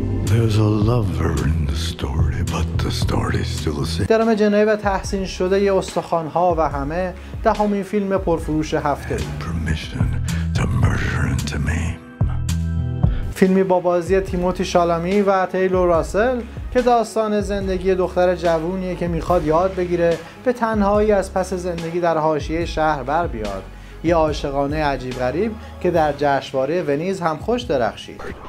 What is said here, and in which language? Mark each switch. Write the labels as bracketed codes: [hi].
[en] There's a lover in the story, but the story is still the same. [fa] درام جنایی و تحسین شده ی استخوان‌ها و همه دهمین فیلم پرفروش هفته. [en] Permission to murder and to maim. [fa] فیلمی با بازی تیموتی شالامی و تیلور راسل که داستان زندگی دختر جوونیه که میخواد یاد بگیره به تنهایی از پس زندگی در حاشیه شهر بر بیاد. یه عاشقانه عجیب غریب که در جشنواره ونیز هم خوش درخشید.